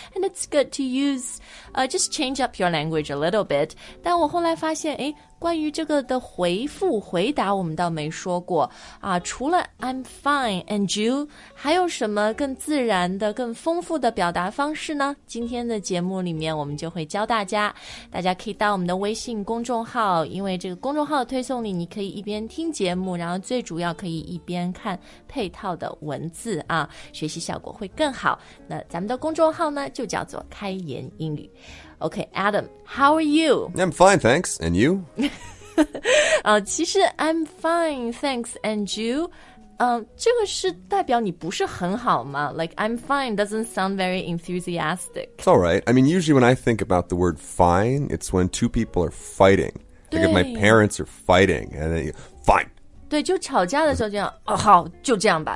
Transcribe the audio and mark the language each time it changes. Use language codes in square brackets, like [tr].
[en] And it's good to use, just change up your language a little bit. [zh] 但我后来发现，诶，关于这个的回复回答我们倒没说过啊。除了 [en] I'm fine and you, [zh] 还有什么更自然的更丰富的表达方式呢？今天的节目里面我们就会教大家，大家可以到我们的微信公众号，因为这个公众号的推送里你可以一边听节目，然后最主要可以一边看配套的文字啊，学习效果会更好。那咱们的公众号呢就叫做开言英语。 [en] Okay, Adam, how are you? I'm fine, thanks. And you? 其实 I'm fine, thanks, and you? [zh] 这个是代表你不是很好吗? [en] Like, I'm fine doesn't sound very enthusiastic. It's all right. I mean, usually when I think about the word fine, it's when two people are fighting. Like if my parents are fighting, and then fine. [zh] 对，就吵架的时候这样，哦，好，就这样吧，